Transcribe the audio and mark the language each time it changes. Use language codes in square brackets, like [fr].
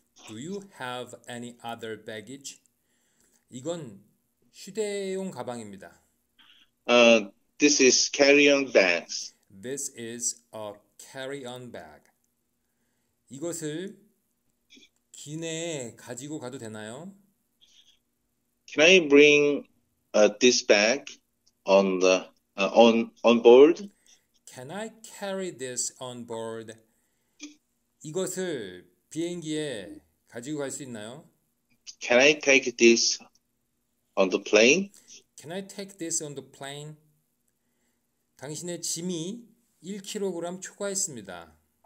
[en] Do you have any other baggage? [ko] 이건 휴대용 가방입니다. [en] This is carry-on bags. This is a carry-on bag. [ko] 이것을 기내에 가지고 가도 되나요? [en] Can I bring this bag on the on board? Can I carry this on board? [ko] 이것을 비행기에 가지고 갈 수 있나요? [en] Can I take this on the plane? Can I take this on the plane? [ko] 당신의 짐이 1kg 초과했습니다.